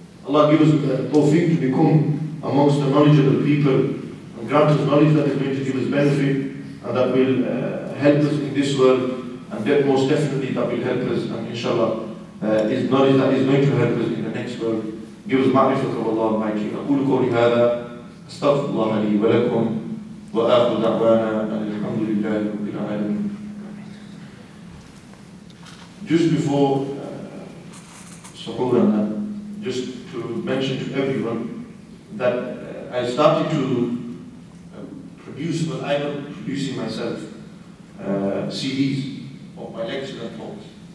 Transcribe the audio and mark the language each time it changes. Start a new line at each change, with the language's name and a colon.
English: Allah give us tawfiq to become amongst the knowledgeable people and grant us knowledge that is going to give us benefit and that will help us in this world, and that most definitely that will help us, and inshallah, is knowledge that is going to help us in the next world. Give us ma'rifat of Allah Almighty.
Arabic: أقول قولي هذا أستغفر الله لي ولكم وآخر دعوانا أن الحمد لله رب العالمين.
English: Just before Suhoor, just to mention to everyone that I started to produce, but I am producing myself CDs of my lectures and talks.